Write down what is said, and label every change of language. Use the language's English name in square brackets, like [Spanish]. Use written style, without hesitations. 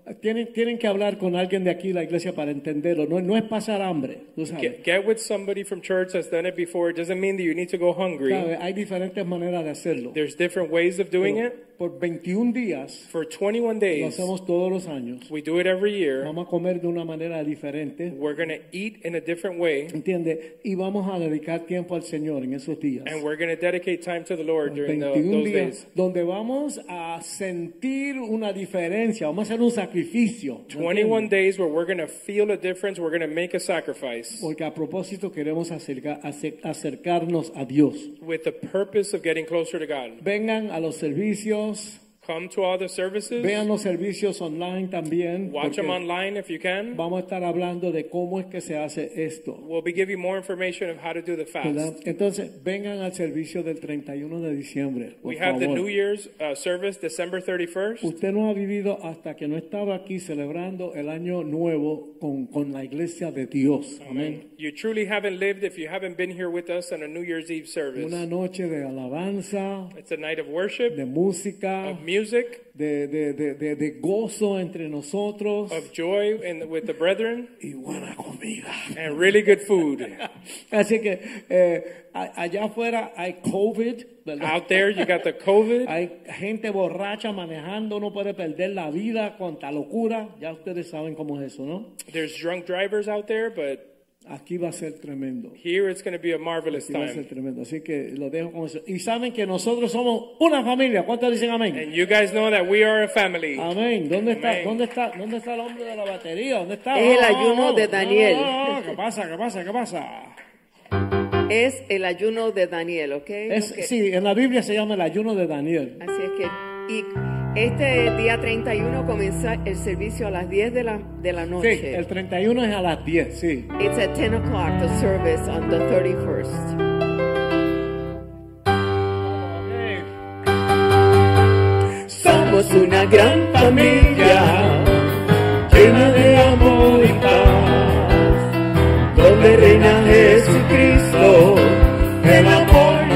[Spanish] Tienen que hablar con alguien de aquí la iglesia para entenderlo. No es pasar hambre, tú sabes. [English] Get with somebody from church that's done it before. It doesn't mean that you need to go hungry. [Spanish] Hay diferentes maneras de hacerlo. [English] There's different ways of doing it. [Spanish] Por 21 días. [English] For 21 days. [Spanish] Lo hacemos todos los años. [English] We do it every year. [Spanish] Vamos a comer de una manera diferente. [English] We're going to eat in a different way. [Spanish] ¿Entiende? Y vamos a dedicar tiempo al Señor en esos días. [English] And we're going to dedicate time to the Lord during those days. [Spanish] Donde vamos a sentir una diferencia. Vamos a hacer un sacrificio. [English] 21 days where we're going to feel a difference. We're going to make a sacrifice. [Spanish] Porque a propósito queremos acercarnos a Dios. [English] With the purpose of getting closer to God. [Spanish] Vengan a los servicios. [English] Come to all the services. [Spanish] Vean los servicios online también. [English] Watch them online if you can. [Spanish] Vamos a estar hablando de cómo es que se hace esto. [English] We'll be giving more information of how to do the fast. [Spanish] ¿Verdad? Entonces, vengan al servicio del 31 de diciembre, por [English] We [Spanish] favor. [English] Have the New Year's service December 31st. [Spanish] Usted no ha vivido hasta que no estaba aquí celebrando el año nuevo con la iglesia de Dios. Amén. [English] You truly haven't lived if you haven't been here with us on a New Year's Eve service. [Spanish] Una noche de alabanza. [English] It's a night of worship. [Spanish] De música. [English] Of music. [Spanish] De gozo entre nosotros. [English] Of joy with the brethren. [Spanish] Y buena comida. [English] And really good food. [Spanish] Así que allá afuera hay COVID. [English] Out there you got the COVID. [Spanish] Hay gente borracha manejando, no puede perder la vida, cuanta locura. Ya ustedes saben cómo es eso, ¿no? [English] There's drunk drivers out there, but [Spanish] aquí va a ser tremendo. [English] Here it's going to be a marvelous time. [Spanish] Aquí va a ser tremendo. Así que lo dejo con eso. Y saben que nosotros somos una familia. ¿Cuántos dicen amén? [English] And you guys know that we are a family. [Spanish] Amén. ¿Dónde está? ¿Dónde está el hombre de la batería? ¿Dónde está? Es el ayuno de Daniel. ¿Qué pasa? Es el ayuno de Daniel, ¿okay? Sí, en la Biblia se llama el ayuno de Daniel. Así es que este día 31 comienza el servicio a las 10 de la noche. Sí, el 31 es a las 10, sí. [English] It's at 10 o'clock, the service on the 31st. [Spanish] Somos una gran familia, llena de amor y paz, donde reina Jesucristo, el amor.